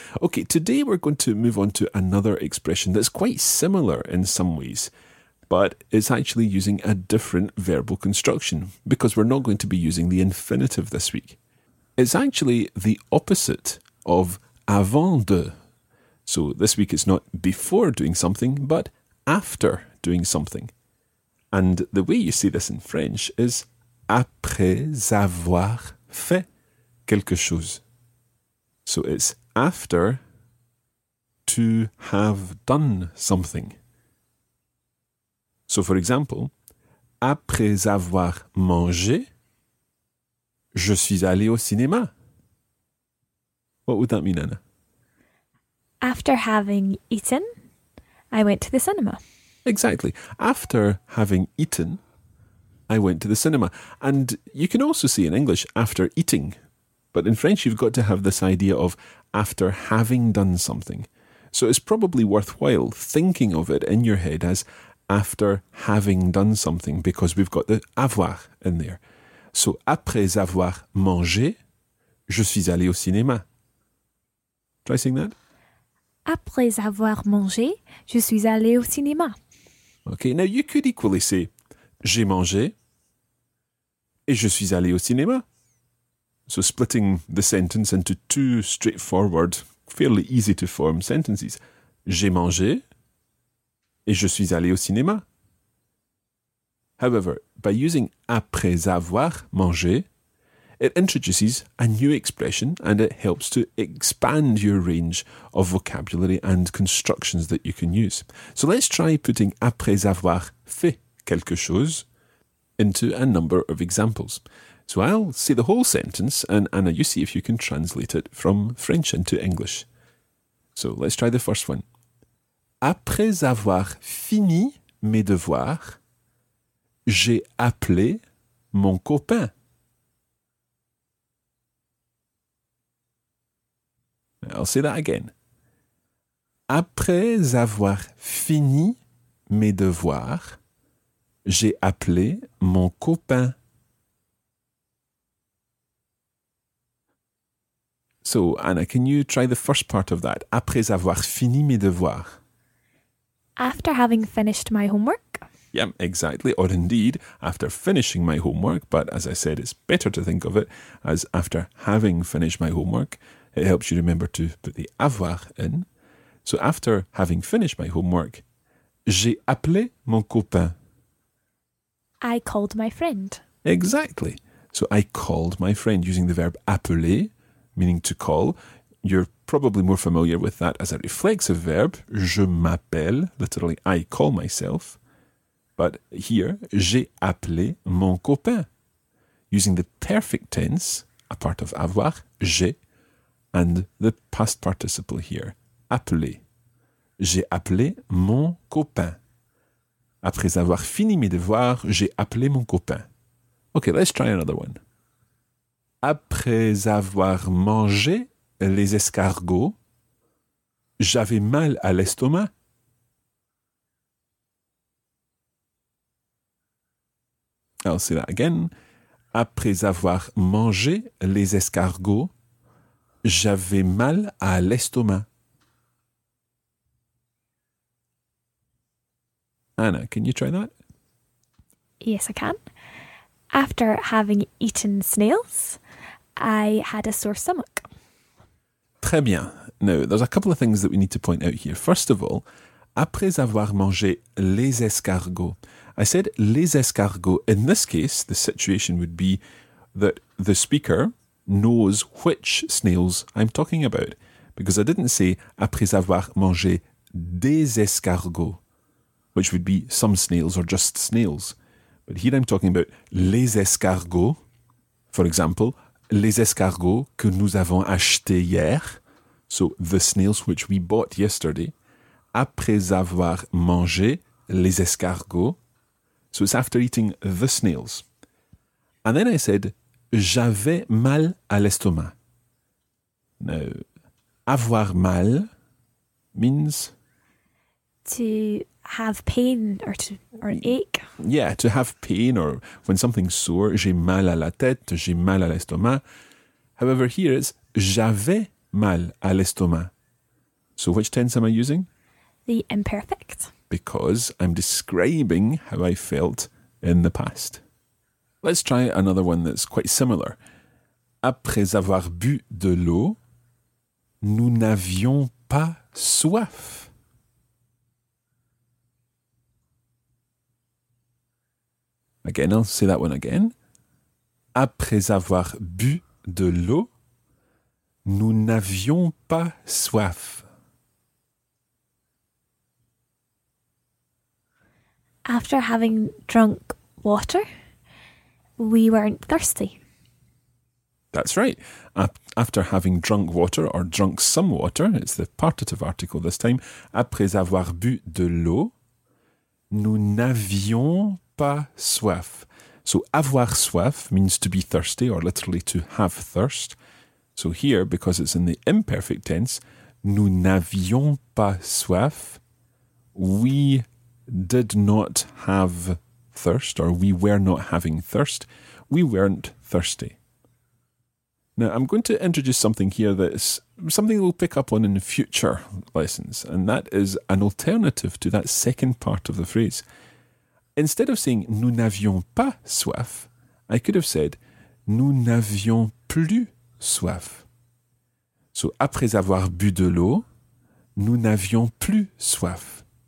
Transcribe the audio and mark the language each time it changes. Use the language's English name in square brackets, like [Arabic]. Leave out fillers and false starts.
[English] Okay, today we're going to move on to another expression that's quite similar in some ways, but it's actually using a different verbal construction because we're not going to be using the infinitive this week. It's actually the opposite of avant de. So this week it's not before doing something, but after doing something. And the way you say this in French is [French] après avoir fait quelque chose. [English] So it's after to have done something. So, for example, [French] après avoir mangé, je suis allé au cinéma. [English] What would that mean, Anna? After having eaten, I went to the cinema. Exactly. After having eaten, I went to the cinema. And you can also say in English, after eating. But in French, you've got to have this idea of after having done something. So it's probably worthwhile thinking of it in your head as after having done something, because we've got the avoir in there. So, [French] après avoir mangé, je suis allé au cinéma. [English] Try saying that. [French] Après avoir mangé, je suis allé au cinéma. [English] Okay, now you could equally say, [French] j'ai mangé et je suis allé au cinéma. [English] So, splitting the sentence into two straightforward, fairly easy to form sentences. [French] J'ai mangé et je suis allé au cinéma. [English] However, by using [French] après avoir mangé, [English] it introduces a new expression and it helps to expand your range of vocabulary and constructions that you can use. So let's try putting [French] après avoir fait quelque chose [English] into a number of examples. So I'll say the whole sentence and Anna, you see if you can translate it from French into English. So let's try the first one. [French] Après avoir fini mes devoirs, j'ai appelé mon copain. [English] I'll say that again. [French] Après avoir fini mes devoirs, j'ai appelé mon copain. [English] So, Anna, can you try the first part of that? [French] Après avoir fini mes devoirs. [English] After having finished my homework? Yeah, exactly. Or indeed, after finishing my homework. But as I said, it's better to think of it as after having finished my homework. It helps you remember to put the avoir in. So after having finished my homework, [French] j'ai appelé mon copain. [English] I called my friend. Exactly. So I called my friend using the verb appeler, meaning to call. You're probably more familiar with that as a reflexive verb. [French] Je m'appelle, [English] literally, I call myself. But here, [French] j'ai appelé mon copain. [English] Using the perfect tense, a part of avoir, j'ai, and the past participle here, appeler. [French] J'ai appelé mon copain. Après avoir fini mes devoirs, j'ai appelé mon copain. [English] Okay, let's try another one. [French] Après avoir mangé les escargots, j'avais mal à l'estomac. [English] I'll say that again. [French] Après avoir mangé les escargots, j'avais mal à l'estomac. [English] Anna, can you try that? Yes, I can. After having eaten snails, I had a sore stomach. [French] Très bien. [English] Now, there's a couple of things that we need to point out here. First of all, [French] après avoir mangé les escargots. [English] I said [French] les escargots. [English] In this case, the situation would be that the speaker knows which snails I'm talking about. Because I didn't say [French] après avoir mangé des escargots, [English] which would be some snails or just snails. But here I'm talking about [French] les escargots. [English] For example, [French] les escargots que nous avons achetés hier. [English] So the snails which we bought yesterday. [French] Après avoir mangé les escargots. [English] So it's after eating the snails. And then I said, [French] j'avais mal à l'estomac. [English] Now, avoir mal means... to have pain or ache. Yeah, to have pain or when something's sore, [French] j'ai mal à la tête, j'ai mal à l'estomac. [English] However, here it's [French] j'avais mal à l'estomac. [English] So which tense am I using? The imperfect. Because I'm describing how I felt in the past. Let's try another one that's quite similar. [French] Après avoir bu de l'eau, nous n'avions pas soif. [English] Again, I'll say that one again. [French] Après avoir bu de l'eau, nous n'avions pas soif. [English] After having drunk water, we weren't thirsty. That's right. After having drunk water or drunk some water, it's the partitive article this time, [French] après avoir bu de l'eau, nous n'avions pas soif. [English] So avoir soif means to be thirsty or literally to have thirst. So here, because it's in the imperfect tense, [French] nous n'avions pas soif, [English] we did not have thirst, or we were not having thirst. We weren't thirsty. Now, I'm going to introduce something here that's something we'll pick up on in future lessons, and that is an alternative to that second part of the phrase. Instead of saying [French] nous n'avions pas soif, [English] I could have said [French] nous n'avions plus soif. [English] So, [French] après avoir bu de l'eau, nous n'avions plus soif.